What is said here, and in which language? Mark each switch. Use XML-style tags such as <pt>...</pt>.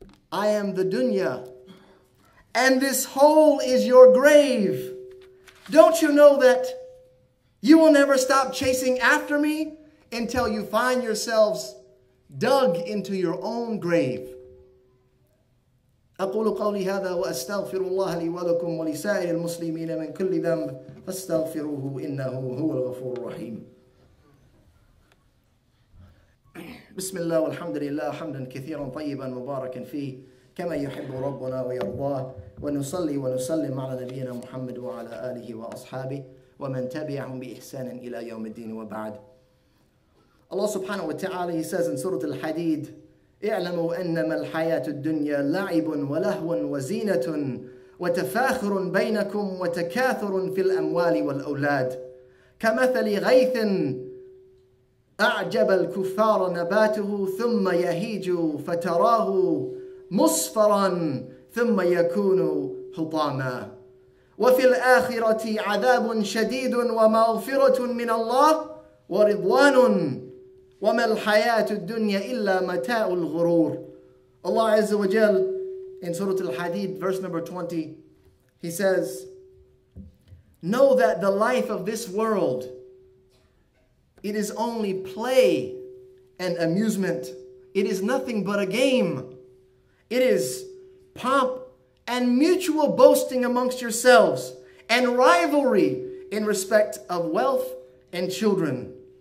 <en>I am the dunya. And this hole is your grave. Don't you know that you will never stop chasing after me until you find yourselves dug into your own grave?"</en> <ar>أقول قولي هذا وأستغفر الله لي ولكم ولسائر المسلمين من كل ذنب فاستغفروه إنه هو الغفور الرحيم. بسم الله والحمد لله حمدا كثيرا طيبا مباركا فيه كما يحب ربنا ويرضاه ونصلي ونسلم على نبينا محمد وعلى آله وأصحابه ومن تبعهم بإحسان إلى يوم الدين وبعد. الله سبحانه وتعالى</ar> <en>says in</en> <ar>سورة الحديد: اعلموا أنما الحياة الدنيا لعب ولهو وزينة وتفاخر بينكم وتكاثر في الأموال والأولاد كمثل غيث أعجب الكفار نباته ثم يهيج فتراه مصفرا ثم يكون حطاما وفي الآخرة عذاب شديد ومغفرة من الله ورضوان وما الحياة الدنيا إلا متاع الغرور.</ar> <en>Allah Azza wa Jal in Surah Al-Hadid verse number 20, he says, know that the life of this world, it is only play and amusement. It is nothing but a game. It is pomp and mutual boasting amongst yourselves and rivalry in respect of wealth and children.</en>